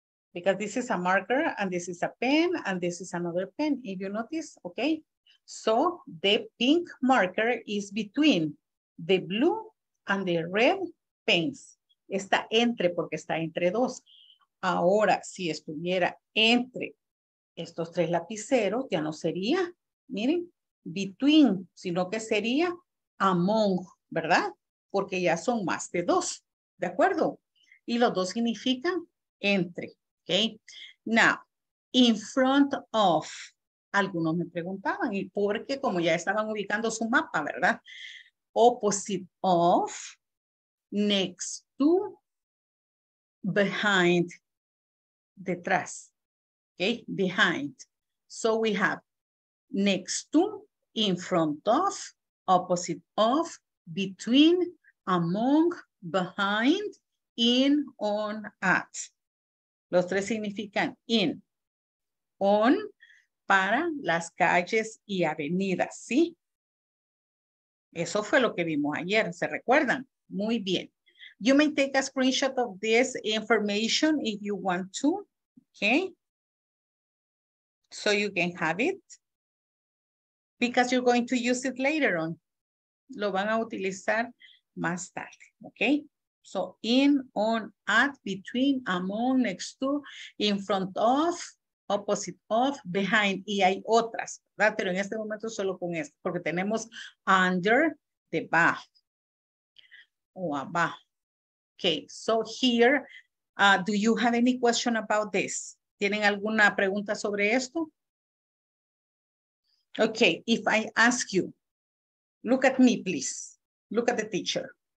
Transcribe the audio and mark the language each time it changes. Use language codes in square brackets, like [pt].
[en] Because this is a marker and this is a pen and this is another pen, if you notice, okay? So the pink marker is between the blue and the red pens. [es] Está entre porque está entre dos. Ahora, si estuviera entre estos tres lapiceros, ya no sería, miren, between, sino que sería among, ¿verdad? Porque ya son más de dos, ¿de acuerdo? Y los dos significan entre, ¿ok? Now, in front of, algunos me preguntaban, ¿y por qué? Como ya estaban ubicando su mapa, ¿verdad? Opposite of, next to, behind, detrás. Okay, behind. [en] So we have next to, in front of, opposite of, between, among, behind, in, on, at. [es] Los tres significan in, on, para las calles y avenidas, ¿sí? Eso fue lo que vimos ayer, ¿se recuerdan? Muy bien. [en] You may take a screenshot of this information if you want to, okay? So you can have it, because you're going to use it later on. [es] Lo van a utilizar más tarde, [en] okay? So in, on, at, between, among, next to, in front of, opposite of, behind, [es] y hay otras, ¿verdad? Pero en este momento solo con esto, porque tenemos under, debajo, o abajo. [en] Okay, so here, do you have any question about this? [es] ¿Tienen alguna pregunta sobre esto? [en] Okay, if I ask you, look at me, please. Look at the teacher.